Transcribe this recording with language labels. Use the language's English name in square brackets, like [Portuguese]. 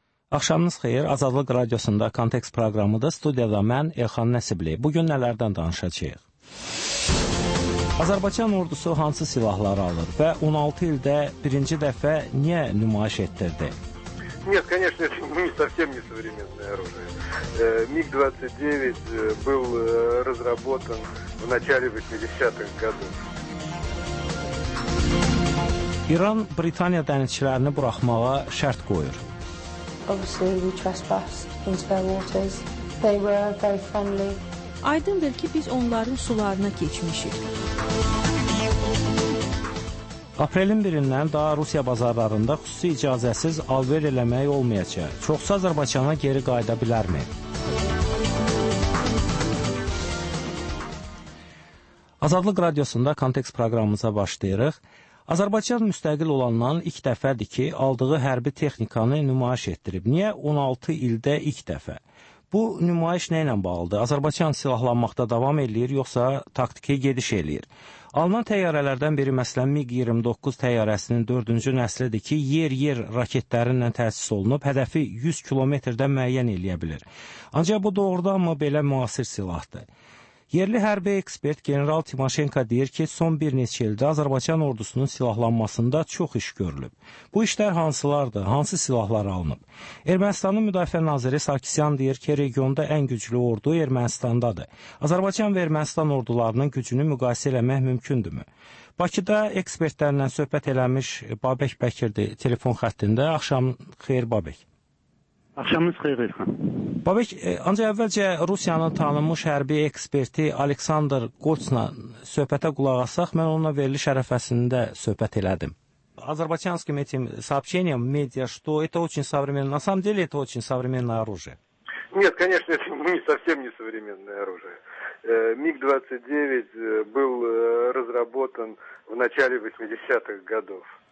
[Azerbaijani] Axşamınız xeyir, Azadlıq Radiosunda Kontekst proqramıdır. Studiyada mən, Elxan Nəsibli. Bugün nələrdən danışacaq? Azərbaycan ordusu hansı silahları alır və 16 ildə birinci dəfə niyə nümayiş etdirdi? [Russian] Нет, конечно, это не совсем не современное оружие. МиГ-29 был разработан в начале 80-х годов. [Azerbaijani] İran Britaniya dənizçilərini buraxmağa şərt qoyur. [English] Obviously, we trespassed into their waters. They were very friendly. [Azerbaijani] Aydındır ki, biz onların sularına keçmişik. Aprelin birindən daha Rusiya bazarlarında xüsusi icazəsiz alver eləmək olmayacaq. Çoxsa Azərbaycana geri qayıda bilərmi? Azadlıq Radiosunda Kontekst proqramımıza başlayırıq. Azərbaycan müstəqil olandan ilk dəfədir ki, aldığı hərbi texnikanı nümayiş etdirib. Niyə 16 ildə ilk dəfə? Bu nümayiş nə ilə bağlıdır? Azərbaycan silahlanmaqda davam edir, yoxsa taktiki gediş edir? Alınan təyyarələrdən biri, məsələn, MiG-29 təyyarəsinin 4-cü nəslidir ki, yer-yer raketlərinlə təsis olunub, hədəfi 100 kilometrdən müəyyən eləyə bilir. Ancaq bu doğrudanmı belə müasir silahdır? Yerli hərbi ekspert General Timoshenko deyir ki, son bir neçə ildə Azərbaycan ordusunun silahlanmasında çox iş görülüb. Bu işlər hansılardır, hansı silahlar alınıb? Ermənistanın müdafiə naziri Sarkisyan deyir ki, regionda ən güclü ordu Ermənistandadır. Azərbaycan və Ermənistan ordularının gücünü müqayisə eləmək mümkündürmü? Bakıda ekspertlərlə söhbət eləmiş Babək Bəkirdi telefon xəttində. Axşam xeyir, Babək. Axşamınız xeyir, Elxan. Babək, ancaq əvvəlcə Rusiyanın tanınmış hərbi eksperti Aleksandr Qoçla söhbətə qulaq asaq, mən onunla veriliş ərəfəsində söhbət elədim. [Russian] Azərbaycanskim etim сообщением медиа, что это очень современное, на самом деле это очень современное оружие. Нет, конечно, это не совсем не современное оружие. МиГ-29 был разработан в начале 80-х годов.